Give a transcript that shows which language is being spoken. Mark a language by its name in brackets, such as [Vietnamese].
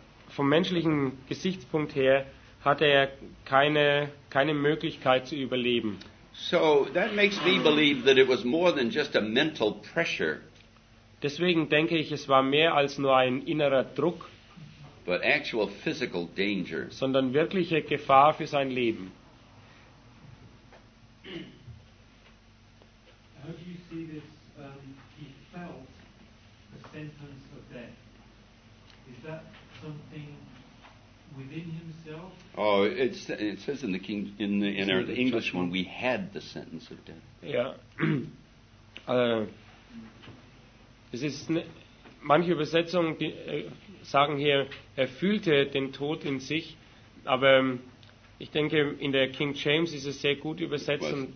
[German] Vom menschlichen Gesichtspunkt her hatte er keine Möglichkeit zu überleben. [English] So that makes me believe that it was more than just a mental pressure. [German] Deswegen denke ich, es war mehr als nur ein innerer Druck, [English] but actual physical danger. [German] Sondern wirkliche Gefahr für sein Leben. [English] How do you see this? He felt the sentence of death. Is that something within himself. Oh, it says in the King in the English one, we had the sentence of death. Yeah. [German] Es ist manche Übersetzungen sagen hier, er fühlte den Tod in sich, aber ich denke, in der King James ist es sehr gut übersetzt.